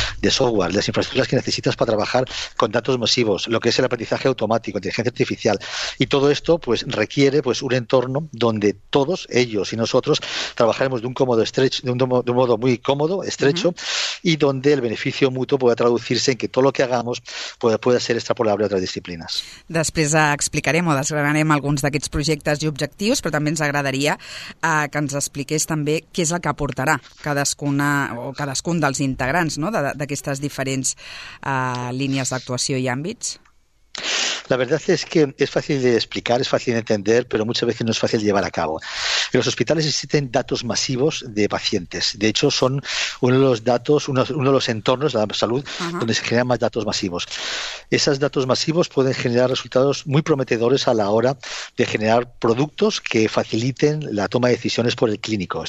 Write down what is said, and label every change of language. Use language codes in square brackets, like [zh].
[es] de software, las infraestructuras que necesitas para trabajar con datos masivos, lo que es el aprendizaje automático, inteligencia artificial, y todo esto pues requiere pues un entorno donde todos ellos y nosotros trabajaremos de un modo muy cómodo, estrecho, y donde el beneficio mutuo pueda traducirse en que todo lo que hagamos pueda ser extrapolable a otras disciplinas. [ca] Després explicarem o desgranarem alguns d'aquests projectes i objectius, però també ens agradaria que ens expliqués també què és el que aportarà cadascun dels integrants, no?, d'aquestes diferents línies d'actuació i àmbits. [es] La verdad es que es fácil de explicar, es fácil de entender, pero muchas veces no es fácil llevar a cabo. En los hospitales existen datos masivos de pacientes. De hecho, son uno de los entornos de la salud donde se generan más datos masivos. Esos datos masivos pueden generar resultados muy prometedores a la hora de generar productos que faciliten la toma de decisiones por el clínico.